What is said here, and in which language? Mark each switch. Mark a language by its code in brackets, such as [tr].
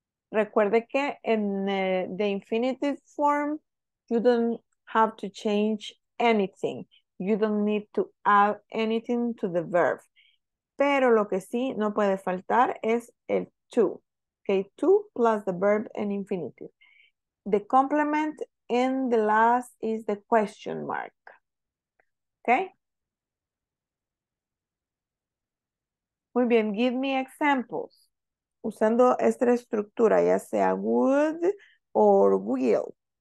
[es] Recuerde que en [en] the infinitive form you don't have to change anything. You don't need to add anything to the verb. [es] Pero lo que sí no puede faltar es el to. [en] Okay, to plus the verb and infinitive. The complement and the last is the question mark. Okay? [es] Muy bien, [en] give me examples. [es] Usando esta estructura, ya sea would or will.